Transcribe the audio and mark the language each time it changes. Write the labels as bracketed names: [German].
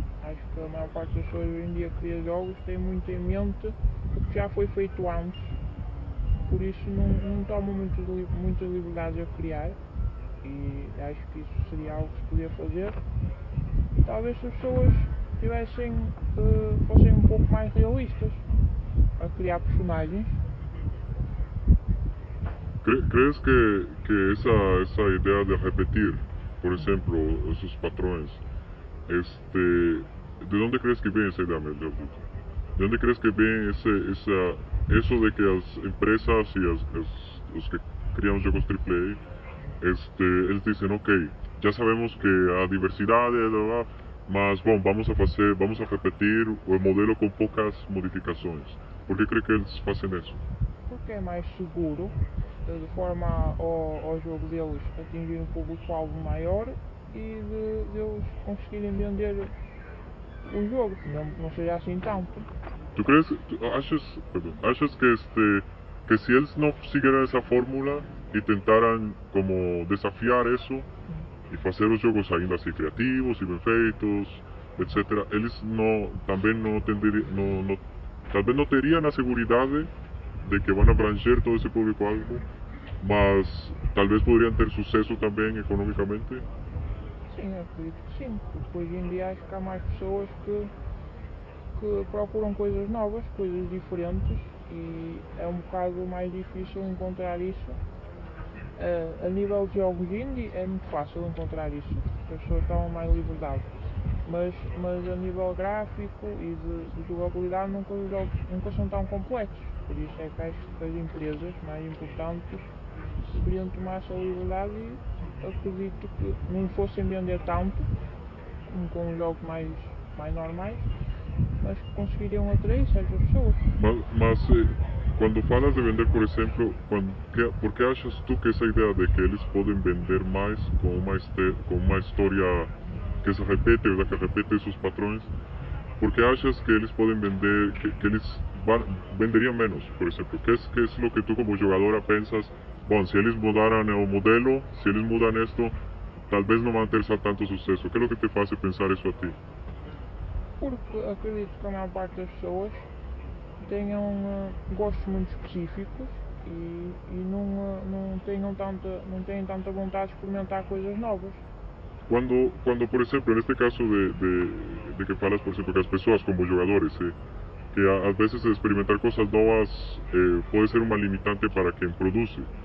[Portuguese] Acho que a maior parte das pessoas hoje em dia que cria jogos tem muito em mente o que já foi feito antes, por isso não toma muitas liberdades a criar, e acho que isso seria algo que se podia fazer. Talvez se as pessoas fossem um pouco mais realistas a criar personagens. [Spanish] ¿Crees que esa idea de repetir, por ejemplo, esos patrones, ¿de dónde crees que viene esa idea, Melio? ¿De dónde crees que viene eso de que las empresas y los que crean juegos AAA, ellos dicen, ok, ya sabemos que hay diversidad, más bueno, vamos a repetir el modelo con pocas modificaciones? ¿Por qué crees que ellos hacen eso? Porque es más seguro. [Portuguese] De forma ao jogo deles atingir um público-alvo maior e de eles conseguirem vender o jogo, não seja assim tanto. Tu crees, tu achas, perdão, achas que que se eles não seguirem essa fórmula e tentaram como desafiar isso e fazer os jogos ainda assim criativos e bem feitos, etc., eles talvez não teriam a segurança de que [Spanish] van a abranger todo ese público algo, mas tal vez podrían tener suceso también económicamente? Sí, acredito que sí, porque hoy en día acho que hay más personas que procuran cosas nuevas, cosas diferentes, y es un bocado más difícil encontrar eso. A nivel de jogos indie es muy fácil encontrar eso, las personas toman más libertad, mas a nivel gráfico y de jugabilidad nunca los jogos nunca son tan complejos. [Portuguese] Por isso é que acho que as empresas mais importantes deveriam tomar essa liberdade, e acredito que não fossem vender tanto com um jogo mais normais, mas que conseguiriam atrair certas pessoas. Mas quando falas de vender, por exemplo, por que achas tu que essa ideia de que eles podem vender mais com uma história que se repete, ou que repete esses patrões, por que achas que eles podem vender, que eles [Spanish] venderían menos, por ejemplo? ¿Qué es lo que tú como jugadora piensas? Bueno, si ellos mudaran el modelo, si ellos mudan esto, tal vez no van a tener tanto suceso. ¿Qué es lo que te hace pensar eso a ti? [Portuguese] Porque acredito que a maior parte das pessoas tenham gostos muito específicos e não tenham tanta vontade de experimentar coisas novas. [Spanish] Cuando, por ejemplo, en este caso de que falas, por ejemplo, que las personas como jugadores, ¿sí? Que a veces experimentar cosas nuevas puede ser una limitante para quien produce.